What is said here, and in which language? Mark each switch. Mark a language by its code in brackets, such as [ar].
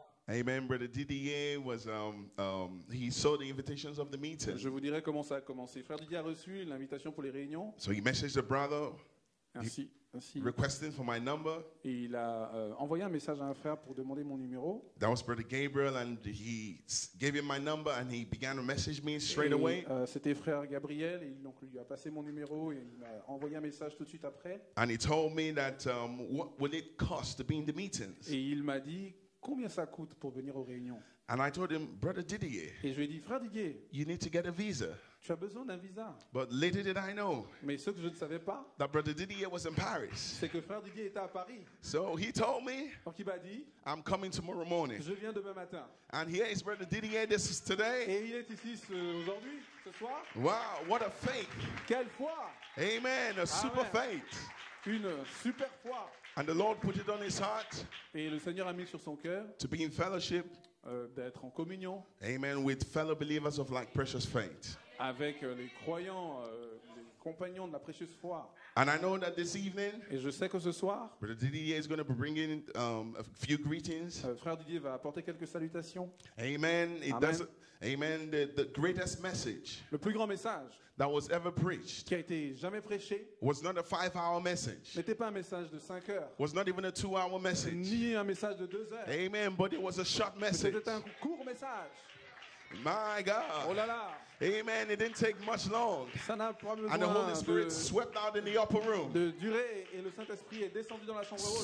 [en] Amen, Brother DDA was he saw the invitations of the meeting. [fr] Je vous dirai comment ça a commencé. Frère Didier a reçu l'invitation pour les réunions. [en] So he messaged the brother. [fr] Ainsi. [en] Requesting for my number. [fr] Et il a envoyé un message à un frère pour demander mon numéro. [en] That was Brother Gabriel, and he gave him my number, and he began to message me straight away. [fr] C'était Frère Gabriel, et donc lui a passé mon numéro et il m'a envoyé un message tout de suite après. [en] And he told me that what would it cost to be in the meetings? [fr] Et il m'a dit combien ça coûte pour venir aux réunions. [en] And I told him, Brother Didier. [fr] Et je lui ai dit, Frère Didier, [en] you need to get a visa. [fr] Tu as besoin d'un visa. [en] But little did I know [fr] mais ce que je ne savais pas, [en] that Brother Didier was in Paris. [fr] C'est que Frère Didier était à Paris. [en] So he told me, [fr] donc il m'a dit, [en] I'm coming tomorrow morning. [fr] Je viens demain matin. [en] And here is Brother Didier, this is today. [fr] Et il est ici aujourd'hui, ce soir. [en] Wow, what a faith. [fr] Quelle foi. [en] Amen, a super Amen. Faith. [fr] Une super foi. [en] And the Lord put it on his heart. [fr] Et le Seigneur a mis sur son cœur. [en] To be in fellowship. [fr] D'être en communion. [en] Amen. With fellow believers of like precious faith. [fr] Avec les croyants, les compagnons de la précieuse foi. [en] And I know that this evening. [fr] Et je sais que ce soir. [en] Brother Didier is going to bring in a few greetings. [fr] Frère Didier va apporter quelques salutations. [en] Amen. It Amen. Amen. The greatest message. [fr] Le plus grand message. [en] That was ever preached. [fr] Qui a été jamais prêché. [en] Was not a 5-hour message. [fr] N'était pas un message de 5 heures. [en] Was not even a 2-hour message. [fr] Ni un message de 2 heures. [en] Amen. But it was a short message. [fr] C'était un court message. [en] My God. [fr] Oh là là. [en] Amen. It didn't take much long. [fr] Ça n'a pas besoin [en] and the Holy Spirit swept out in the upper room. [fr] De durée et le Saint-Esprit est descendu dans la chambre haute.